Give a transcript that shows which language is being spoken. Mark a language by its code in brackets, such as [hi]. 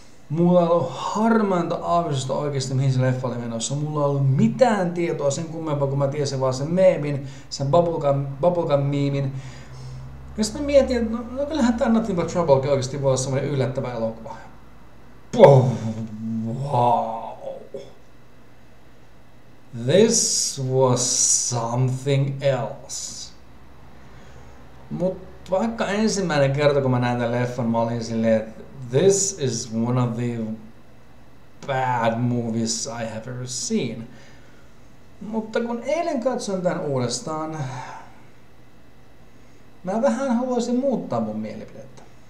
[fi] Mulla ei ollut harmainta aavistusta oikeasti, mihin se leffa oli menossa. Mulla ei ollut mitään tietoa sen kummempaa, kun mä tiesin vaan sen meemin, sen bubblegum meemin. Ja sitten mä mietin, että no kyllähän tämä Nothing But Trouble oikeasti voi olla semmoinen yllättävä elokuva. Boom. Wow. [en] This was something else. [fi] Mutta vaikka ensimmäinen kerta, kun mä näin tämän leffan, mä olin silleen, että [en] this is one of the bad movies I have ever seen. [fi] Mutta kun eilen katsoin tämän uudestaan, mä vähän haluaisin muuttaa mun mielipidettä.